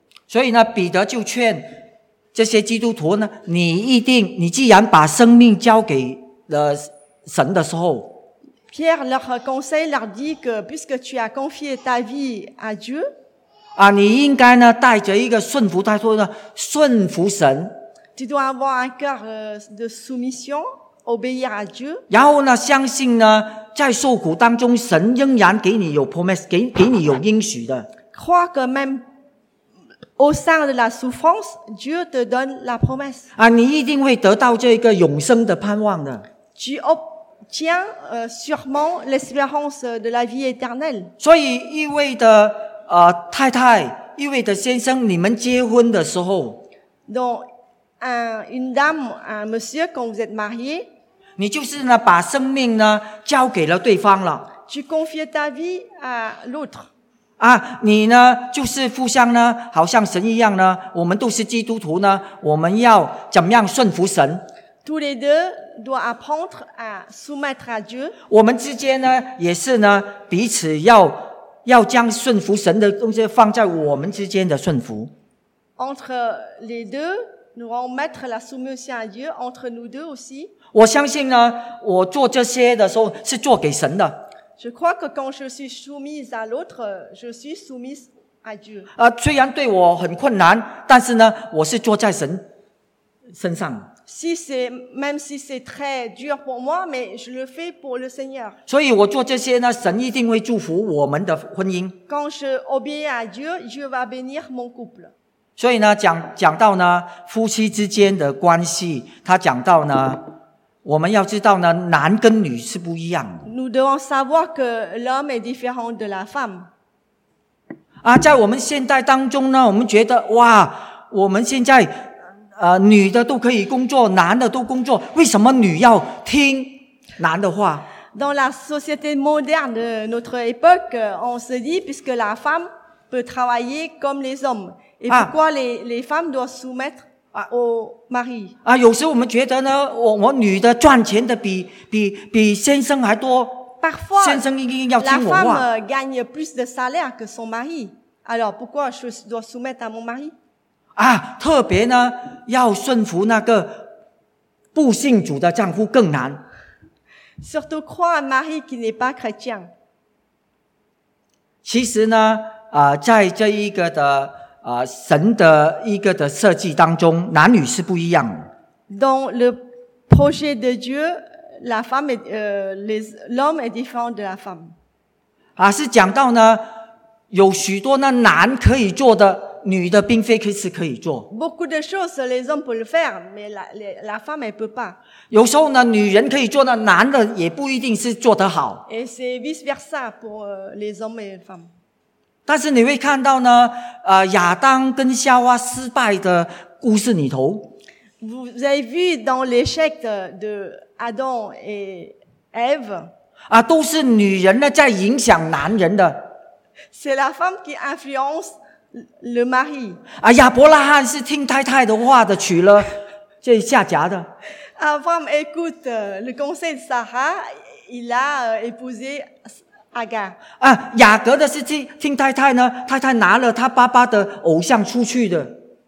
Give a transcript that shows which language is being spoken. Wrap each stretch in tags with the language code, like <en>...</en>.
<zh>所以呢彼得就劝这些基督徒呢你既然把生命交给了神的时候。</zh> <fr>Pierre leur conseille leur dit que puisque tu as confié ta vie à Dieu.</fr> <zh>啊你应该呢带着一个顺服态度呢顺服神。</zh> <fr>Tu dois avoir un cœur de soumission. Obéir à Dieu.</fr> <zh>然后呢相信呢在受苦当中神仍然给你有 promise, 给你有应许的。</zh> <fr>Croire que même au sein de la souffrance, Dieu te donne la promise.</fr> <zh>啊你一定会得到这个永生的盼望的。</zh> <fr>Tu obtiens, sûrement l'espérance de la vie éternelle.</fr> <zh>所以一位的太太一位的先生你们结婚的时候</zh> <fr>Donc, une dame, un monsieur, quand vous êtes marié,</fr> <zh>你就是呢把生命呢交给了对方了。</zh> <fr>Tu confies ta vie à l'autre.</fr> <zh>啊，你呢就是互相呢，好像神一样呢，我们都是基督徒呢，我们要怎么样顺服神？</zh> <fr>Tous les deux doivent apprendre à soumettre à Dieu.</fr> <zh>我们之间呢，也是呢，彼此要将顺服神的东西放在我们之间的顺服。</zh> <fr>Entre les deux, nous allons mettre la soumission à Dieu entre nous deux aussi.</fr> <zh>我相信呢，我做这些的时候是做给神的。</zh> <fr>Je crois que quand je suis soumise à l'autre, je suis soumise à Dieu.</fr> <zh>虽然对我很困难，但是呢，我是坐在神身上。</zh> <fr>Si c'est, même si c'est très dur pour moi, mais je le fais pour le Seigneur.</fr> <zh>所以我做这些呢，神一定会祝福我们的婚姻。</zh> <fr>Quand je obéis à Dieu, Dieu va bénir mon couple.</fr> <zh>所以呢，讲到呢，夫妻之间的关系，他讲到呢，我们要知道呢，男跟女是不一样的。</zh> <fr>Nous devons savoir que l'homme est différent de la femme.</fr> <zh>啊，在我们现代当中呢，我们觉得哇，我们现在女的都可以工作，男的都工作，为什么女要听男的话？</zh> <fr>Dans la société moderne de notre époque, on se dit puisque la femme peut travailler comme les hommes, et pourquoi les femmes doivent soumettre au mari？</fr> <zh>啊，有时我们觉得呢，我女的赚钱的比先生还多。</zh> <fr>Parfois,</fr> <zh>先生一定要听我话。</zh> <fr>La femme gagne plus de salaire que son mari. Alors pourquoi je dois soumettre à mon mari？</fr> <zh>啊，特别呢，要顺服那个不信主的丈夫更难。</zh> <fr>Surtout croire un mari qui n'est pas chrétien。</fr> <zh>其实呢，在这一个的神的一个的设计当中，男女是不一样的。</zh> <fr>Dans le projet de Dieu, la femme est, l'homme est différent de la femme。</fr> <zh>啊，是讲到呢，有许多呢男可以做的。女的并非是可以做。</zh> <fr>Beaucoup de choses les hommes peuvent faire, mais la femme elle peut pas.</fr> <zh>有时候呢，女人可以做呢，男的也不一定是做得好。</zh> <fr>Et c'est vice versa pour les hommes et les femmes.</fr> <zh>但是你会看到呢，亚当跟夏娃失败的故事里头。</zh> <fr>Vous avez vu dans l'échec de Adam et Eve.</fr> <zh>啊，都是女人呢在影响男人的。</zh> <fr>C'est la femme qui influence. Le mari.</fr> <zh>啊，亚伯拉罕是听太太的话的，娶了这夏甲的。</zh> <fr>Abraham écoute le conseil de Sarah, il a épousé Agar.</fr> <zh>啊，雅各的是听太太呢，太太拿了他爸爸的偶像出去的。</zh>